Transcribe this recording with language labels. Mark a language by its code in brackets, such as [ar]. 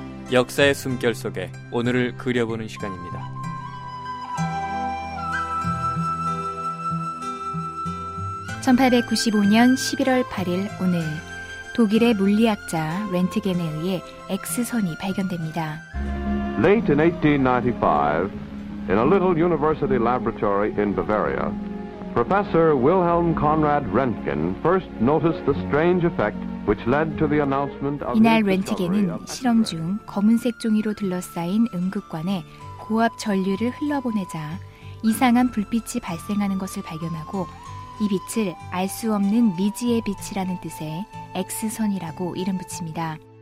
[ko] 역사의 숨결 속에 오늘을 그려보는 시간입니다. 1895년 11월 8일 오늘, 독일의 물리학자 렌트겐에 의해 X선이 발견됩니다. [en] Late in 1895, in a little university laboratory in Bavaria, Professor Wilhelm Conrad Röntgen first noticed the strange effect which led to the announcement of. [ko] 이날 렌트겐은 실험 중 검은색 종이로 둘러싸인 음극관에 고압 전류를 흘러보내자 이상한 불빛이 발생하는 것을 발견하고 이 빛을 알 수 없는 미지의 빛이라는 뜻의 X선이라고 이름 붙입니다.